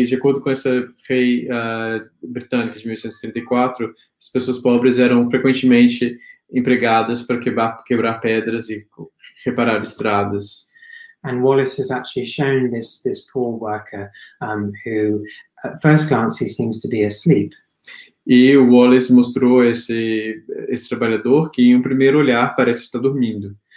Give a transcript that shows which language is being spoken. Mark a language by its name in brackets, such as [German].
[Portuguese] E de acordo com essa rei britânica de 1834, as pessoas pobres eram frequentemente empregadas para quebrar pedras e reparar estradas. [English] And Wallace has actually shown this poor worker who at first glance he seems to be asleep. [Portuguese] E o Wallace mostrou esse trabalhador que em um primeiro olhar parece estar dormindo.